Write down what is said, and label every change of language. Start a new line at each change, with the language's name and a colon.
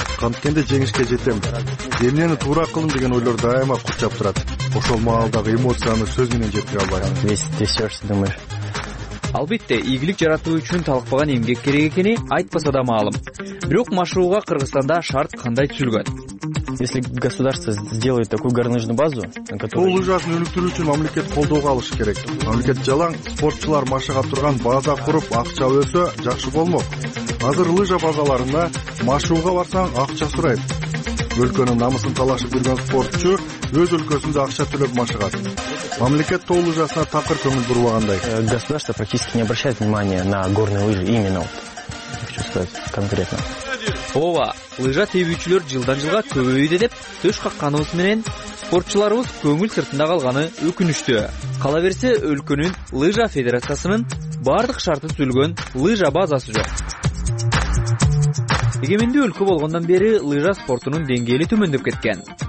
Kyrgyz: Канткенде жеңишке жетем. Эмнени туура кылдым деген ойлор дайыма курчап турат. Ошол маалдагы эмоцияны сөз менен жеткире албайм. Албетте, ийгилик жаратуу үчүн талкпаган эмгек керек экени айтпаса да маалым. Бирок машыгууга Кыргызстанда шарт кандай түзүлгөн?
Russian: Если государство сделает такую горнолыжную базу, на которой...
Kyrgyz: Лыжасын өнүктүрүү үчүн мамлекет колдоого алышы керек. Мамлекет жалаң спортчулар машыга турган база куруп, акча өсө жакшы болмок. Азыр лыжа базаларында машыгууга барсаң акча сурайт. Өлкөнүн намысын талашып жүргөн спортчу өз өлкөсүндө акча төлөп машыгат. Мамлекет тоо лыжасына такыр көңүл бурбагандай.
Russian: Государство практически не обращает внимания на горные лыжи именно. Хочу сказать конкретно.
Kyrgyz: Ооба, лыжа тебүүчүлөр жылдан жылга көбөйүүдө деп төш какканыбыз менен спортчуларыбыз көңүл сыртында калганы өкүнүчтүү. Кала берсе өлкөнүн лыжа федерациясынын бардык шарты түзүлгөн лыжа базасы жок. Эгемендүү өлкө болгондон бери лыжа спортунун деңгээли төмөндөп кеткен.